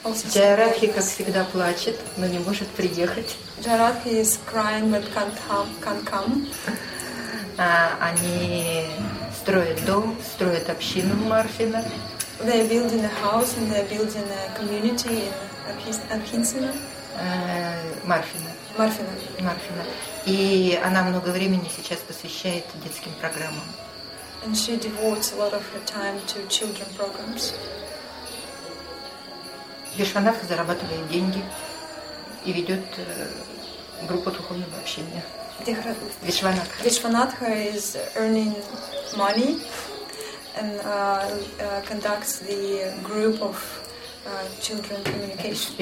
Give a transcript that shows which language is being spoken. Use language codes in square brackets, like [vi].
[ru] Джайарадхи, как всегда, плачет, но не может приехать. [en] Джайарадхи is crying but can't come. [ru] Они строят дом, строят общину в Марфино. [en] They are building a house and they are building a community in Абхинсино. [ru] Марфино. И она много времени сейчас посвящает детским программам. [en] And she devotes a lot of her time to children programs. [ru] Вишванатха зарабатывает деньги и ведет группу духовного общения. [en] Вишванатха is earning money and conducts the group of children communication.